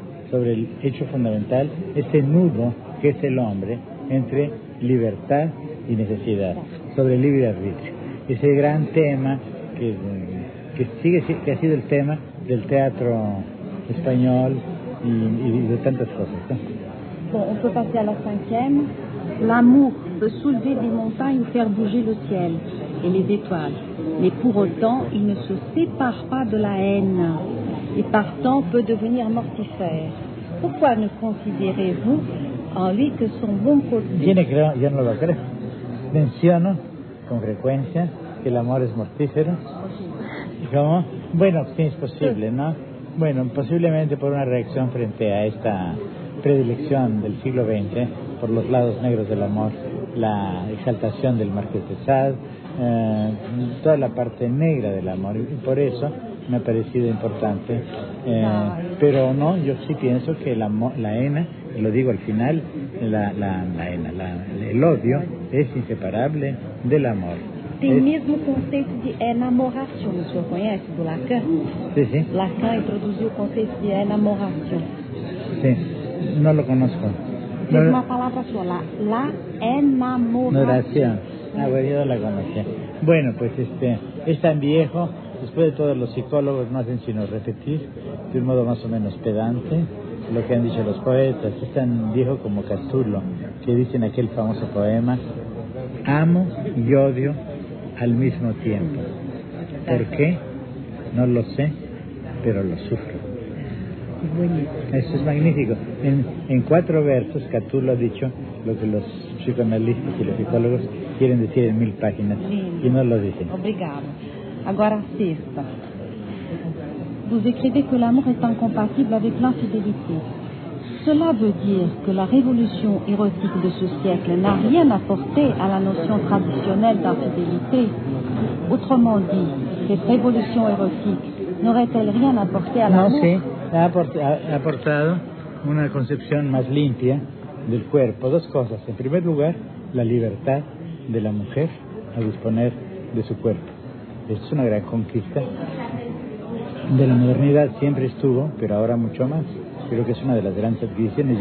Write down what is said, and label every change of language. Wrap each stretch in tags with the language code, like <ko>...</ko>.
<es>Sobre el hecho fundamental, ese nudo que es el hombre entre libertad y necesidad, sobre el libre arbitrio, ese gran tema que ha sido el tema del teatro español y de tantas cosas, ¿no?</es> <fr>Bon, on peut passer à la cinquième. L'amour peut soulever des montagnes ou faire bouger le ciel et les étoiles, mais pour autant il ne se sépare pas de la haine et partant peut devenir mortifère. Pourquoi ne considérez-vous en lui que son bon côté?</fr> <es>Yo no lo creo. Menciono con frecuencia que el amor es mortífero. ¿Cómo? Bueno, sí, es posible, ¿no? Bueno, posiblemente por una reacción frente a esta predilección del siglo XX por los lados negros del amor, la exaltación del Marqués de Sade, toda la parte negra del amor, y por eso me ha parecido importante. Pero no, yo sí pienso que la ENA lo digo al final, el odio es inseparable del amor.</es> <pt>Tem o mesmo conceito de enamoração, o senhor conhece, do Lacan? Sim, sim. Lacan introduziu o conceito de enamoração. Sim, não o conheço. Tem uma palavra sua lá, la enamoração.</pt> <es>Enamoração. Ah, bueno, yo la conocía. Bueno, pues es tan viejo, después de todos los psicólogos no hacen sino repetir de un modo más o menos pedante lo que han dicho los poetas. Es tan viejo como Catulo, que dice en aquel famoso poema: amo y odio al mismo tiempo. ¿Por qué? No lo sé, pero lo sufro. Eso es magnífico. En cuatro versos Catulo ha dicho lo que los psicoanalistas y los psicólogos quieren decir en mil páginas.</es> <pt>Lindo.</pt> <es>Y no lo dicen.</es> <pt>Obrigada. Agora, sexta.</pt> <fr>Vous écrivez que l'amour est incompatible avec l'infidélité. Cela veut dire que la révolution érotique de ce siècle n'a rien apporté à la notion traditionnelle d'infidélité. Autrement dit, cette révolution érotique n'aurait-elle rien apporté à l'amour? Non, si.</fr> <es>Ha aportado una concepción más limpia del cuerpo. Dos cosas. En primer lugar, la libertad de la mujer a disponer de su cuerpo. Es una gran conquista de la modernidad. Siempre estuvo, pero ahora mucho más. Creo que es una de las grandes adquisiciones.</es>